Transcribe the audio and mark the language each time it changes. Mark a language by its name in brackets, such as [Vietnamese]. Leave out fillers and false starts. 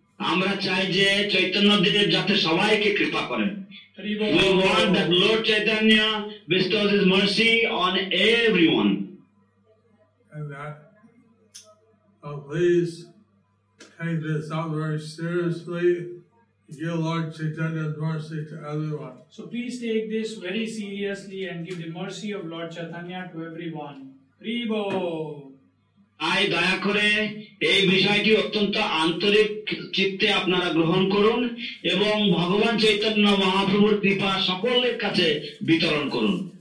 [Bangla] আমরা চাই যে চৈতন্য দেবের যাতে সবাইকে কৃপা করেন। [English] We want that Lord Chaitanya bestows his mercy on everyone. And that, please take this up very seriously. Give Lord Chaitanya's mercy to everyone. So please take this very seriously and give the mercy of Lord Chaitanya to everyone. Ribo! [Bangla] I দয়া করে এই বিষয়টি অত্যন্ত আন্তরিক চিত্তে আপনারা গ্রহণ করুন এবং ভগবান চৈতন্য মহাপ্রভুর কৃপা সকলের কাছে বিতরণ করুন।